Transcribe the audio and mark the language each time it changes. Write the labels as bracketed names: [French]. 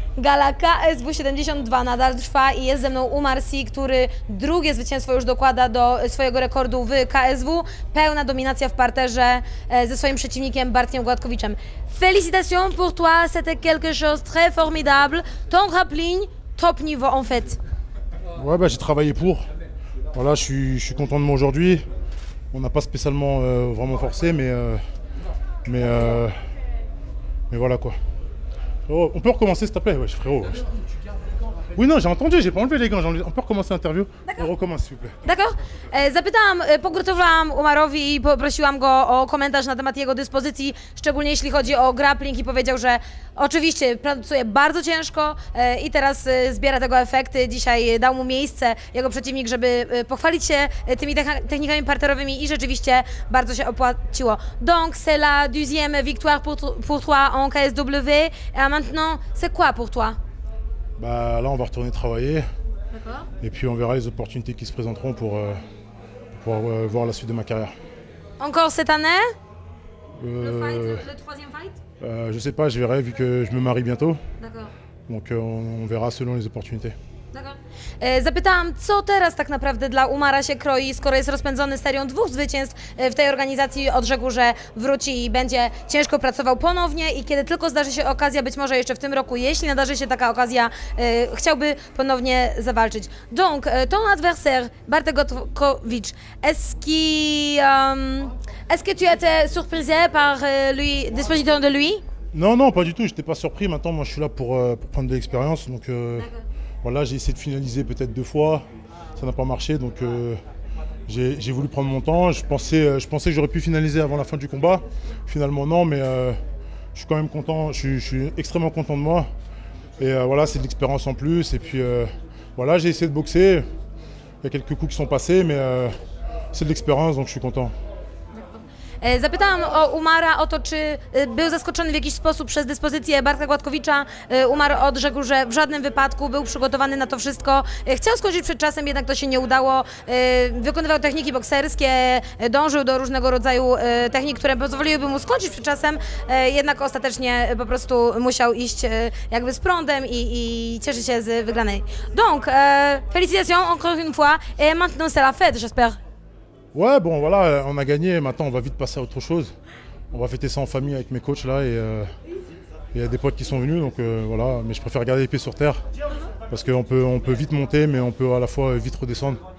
[Polish] Gala KSW72 nadal trwa i jest ze mną u Marcy, który drugie zwycięstwo już dokłada do swojego rekordu w KSW. Pełna dominacja w parterze ze swoim przeciwnikiem Bartkiem Gładkowiczem. [French] Félicitations pour toi, c'était quelque chose très formidable. Ton grappling, top niveau en fait. Ouais, bah, j'ai travaillé pour. Voilà, je suis content de moi aujourd'hui. On n'a pas spécialement vraiment forcé, mais voilà quoi. Oh, on peut recommencer s'il te plaît, ouais, frérot. Ouais. Oui, non, j'ai entendu, j'ai pas enlevé les gants. On peut recommencer l'interview. On recommence, s'il vous plaît. D'accord. [Polish] Zapytałam, pogratulowałam Umarowi i poprosiłam go o komentarz na temat jego dyspozycji, szczególnie jeśli chodzi o grappling, i powiedział, że oczywiście pracuje bardzo ciężko i teraz zbiera tego efekty. Dzisiaj dał mu miejsce jego przeciwnik, żeby pochwalić się tymi technikami parterowymi i rzeczywiście bardzo się opłaciło. [French] Donc, c'est la deuxième victoire pour toi en KSW. A maintenant, c'est quoi pour toi? Bah là on va retourner travailler. D'accord. Et puis on verra les opportunités qui se présenteront pour voir la suite de ma carrière. Encore cette année? Le troisième fight? Je sais pas, je verrai vu que je me marie bientôt. D'accord. Donc on verra selon les opportunités. [Polish] Zapytałam, co teraz tak naprawdę dla Umara się kroi, skoro jest rozpędzony serią dwóch zwycięstw w tej organizacji, odrzekł, że wróci i będzie ciężko pracował ponownie i kiedy tylko zdarzy się okazja, być może jeszcze w tym roku, jeśli nadarzy się taka okazja, chciałby ponownie zawalczyć. [French] Donc, ton adversaire, Bartek Gładkowicz, est-ce que tu étais surprisé par lui, disposition de lui? Non, non, pas du tout, j'étais pas surpris, maintenant moi je suis là pour prendre de l'expérience, donc... Voilà, j'ai essayé de finaliser peut-être deux fois, ça n'a pas marché, donc j'ai voulu prendre mon temps. Je pensais que j'aurais pu finaliser avant la fin du combat, finalement non, mais je suis quand même content, je suis extrêmement content de moi. Et voilà, c'est de l'expérience en plus, et puis voilà, j'ai essayé de boxer, il y a quelques coups qui sont passés, mais c'est de l'expérience, donc je suis content. [Polish] Zapytałam o Umara o to, czy był zaskoczony w jakiś sposób przez dyspozycję Bartka Gładkowicza. Umar odrzekł, że w żadnym wypadku był przygotowany na to wszystko. Chciał skończyć przed czasem, jednak to się nie udało. Wykonywał techniki bokserskie, dążył do różnego rodzaju technik, które pozwoliłyby mu skończyć przed czasem, jednak ostatecznie po prostu musiał iść jakby z prądem i cieszy się z wygranej. [French] Donc, félicitations encore une fois et maintenant c'est la fête, j'espère. Ouais, bon voilà, on a gagné, maintenant on va vite passer à autre chose. On va fêter ça en famille avec mes coachs là et il y a des potes qui sont venus, donc voilà, mais je préfère garder les pieds sur terre parce qu'on peut vite monter mais on peut à la fois vite redescendre.